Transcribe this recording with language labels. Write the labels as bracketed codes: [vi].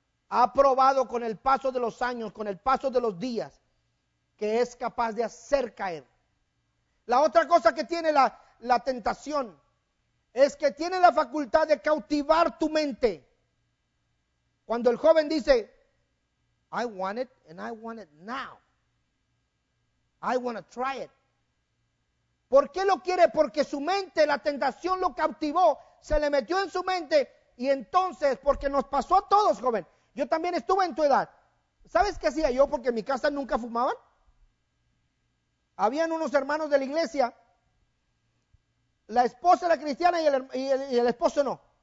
[es] Ha probado con el paso de los años, con el paso de los días, que es capaz de hacer caer. La otra cosa que tiene la tentación es que tiene la facultad de cautivar tu mente. Cuando el joven dice, [en] I want it and I want it now. I want to try it. [es] ¿Por qué lo quiere? Porque su mente, la tentación lo cautivó, se le metió en su mente. Y entonces, porque nos pasó a todos, joven, yo también estuve en tu edad. ¿Sabes qué hacía yo? Porque en mi casa nunca fumaban. Habían unos hermanos de la iglesia, la esposa era cristiana y el esposo no.